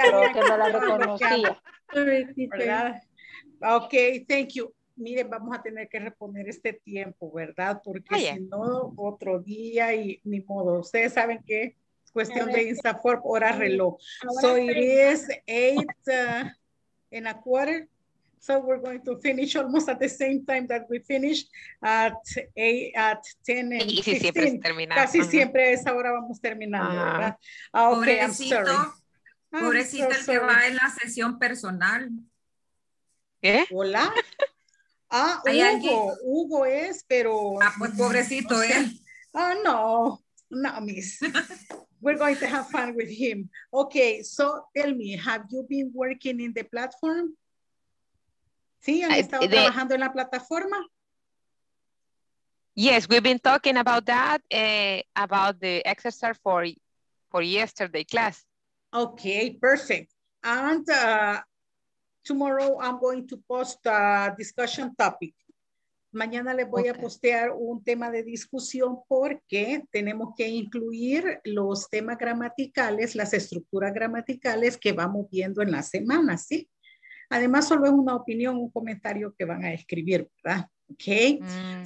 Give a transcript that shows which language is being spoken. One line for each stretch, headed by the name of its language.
Spanish: no la reconocía.
English: Ok, thank you.
Spanish: Mire, vamos a tener que reponer este tiempo, ¿verdad? Porque si no, otro día y ni modo. Ustedes saben que cuestión de INSAFORP, hora reloj.
English: So it is 8:15. So we're going to finish almost at the same time that we finish at 10:15.
Spanish: Y si siempre se termina. Casi siempre a esa hora vamos terminando, ¿verdad?
English: Okay,
Spanish: pobrecito,
English: I'm sorry.
Spanish: Pobrecito el que va en la sesión personal. ¿Qué? Hola. Ah, Hugo. Hugo es, pero... Ah, pues pobrecito no sé.
English: Oh, no. No, miss. We're going to have fun with him. Okay, so tell me, have you been working in the platform?
Spanish: ¿Sí, han estado trabajando en la plataforma?
English: Yes, we've been talking about that, about the exercise for yesterday class. Okay, perfect. And tomorrow I'm going to post a discussion topic.
Spanish: Mañana les voy a postear un tema de discusión porque tenemos que incluir los temas gramaticales, las estructuras gramaticales que vamos viendo en la semana, ¿sí? Además, solo es una opinión, un comentario que van a escribir, ¿verdad? Ok.